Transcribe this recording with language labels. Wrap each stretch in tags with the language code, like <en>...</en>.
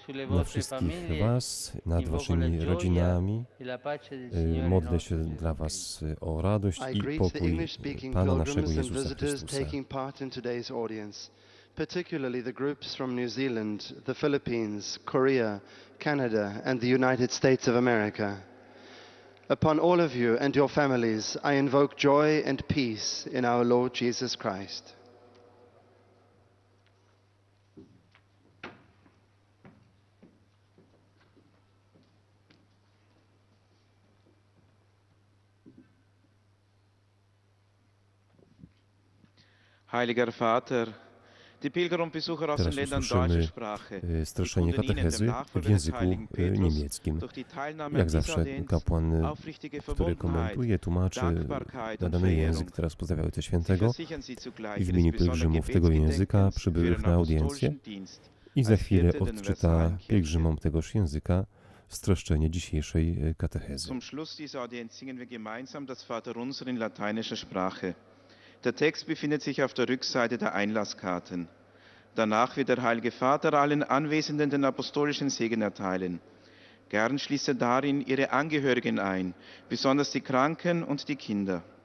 <pl>Na wszystkich Was, nad Waszymi rodzinami, modlę się dla Was o radość i pokój Pana naszego Jezusa Chrystusa.</pl> <en>Upon all of you and your families, I invoke joy and peace in our Lord Jesus Christ.</en> <de>Heiliger Vater, die Pilgrimbesucher aus den Ländern deutscher Sprache,</de> <pl>streszczenie katechezy w języku niemieckim. Jak zawsze kapłan, który komentuje, tłumaczy nadany język, teraz pozdrawia Ojca Świętego i w imieniu pielgrzymów tego języka przybyłych na audiencję i za chwilę odczyta pielgrzymom tegoż języka streszczenie dzisiejszej katechezy.</pl> <de>Zum Schluss dieser Audienz singen wir gemeinsam das Vater unser in lateinischer Sprache. Der Text befindet sich auf der Rückseite der Einlasskarten. Danach wird der Heilige Vater allen Anwesenden den apostolischen Segen erteilen. Gern schließe darin ihre Angehörigen ein, besonders die Kranken und die Kinder.</de>